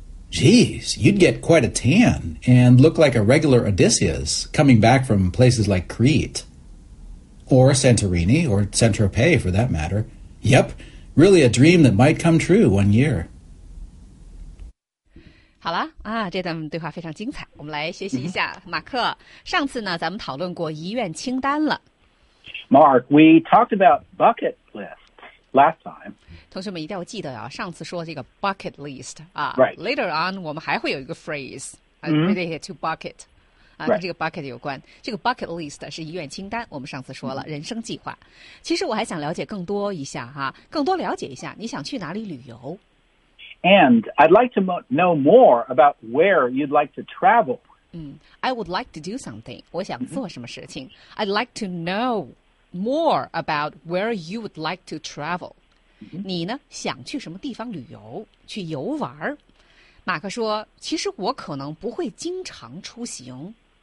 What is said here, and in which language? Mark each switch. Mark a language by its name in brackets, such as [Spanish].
[English] Geez, you'd get quite a tan and look like a regular Odysseus coming back from places like Crete. Or Santorini, or Saint-Tropez for that matter. Yep, really a dream that might come true 1 year. [Chinese] 好了啊，这段对话非常精彩，我们来学习一下。马克，上次呢，咱们讨论过遗愿清单了。 [English] Mark, we talked about bucket lists last time. [Chinese] 同学们一定要记得啊，上次说这个 bucket list 啊、 [English] right. ，later on [Chinese] 我们还会有一个 [English] phrase、related to bucket。 [Chinese] 啊，跟这个 bucket 有关。 [English] Right. [Chinese] 这个 bucket list 是遗愿清单，我们上次说了、人生计划。其实我还想了解更多一下哈、更多了解一下，你想去哪里旅游 [English] ？And I'd like to know more about where you'd like to travel. I would like to do something. [Chinese] 我想做什么事情、 [English] I'd like to know more about where you would like to travel.、 [Chinese] 你呢？想去什么地方旅游？去游玩儿？马克说：“其实我可能不会经常出行。”